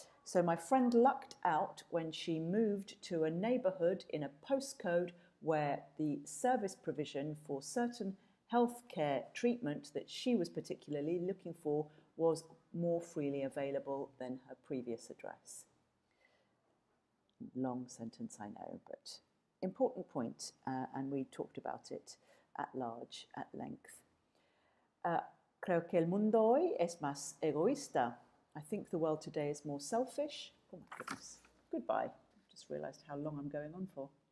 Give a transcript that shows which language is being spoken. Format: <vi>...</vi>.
<en>So my friend lucked out when she moved to a neighborhood in a postcode where the service provision for certain healthcare treatment that she was particularly looking for was more freely available than her previous address. Long sentence, I know, but important point, and we talked about it at large, at length.</en> <es>Creo que el mundo hoy es más egoísta.</es> <en>I think the world today is more selfish. Oh my goodness. Goodbye. I just realized how long I'm going on for.</en>